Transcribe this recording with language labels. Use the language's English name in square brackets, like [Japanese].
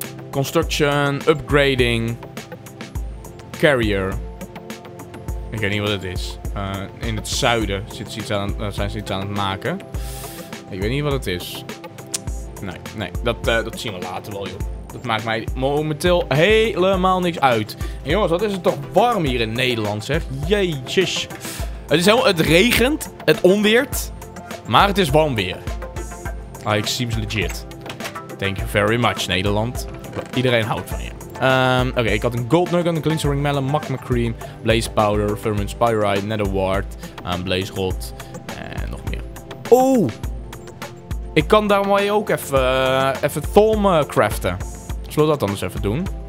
[English] Construction, upgrading. [Dutch] Carrier. Ik weet niet wat het is. In het zuiden zijn ze iets aan het maken. Ik weet niet wat het is. Nee. Dat zien we later wel, joh. Dat maakt mij momenteel helemaal niks uit. En jongens, wat is het toch warm hier in Nederland, zeg. Jezus. Het regent. Het onweert. Maar het is warm weer. [English] It seems legit. Thank you very much, Nederland. [Dutch] Iedereen houdt van je. Oké, ik had een gold nugget, een glinstering melon, magma cream, blaze powder, firman spirite, nether wart, blaze rot en nog meer. Oh! Ik kan daarmee ook even thorn craften. Zullen we dat anders even doen?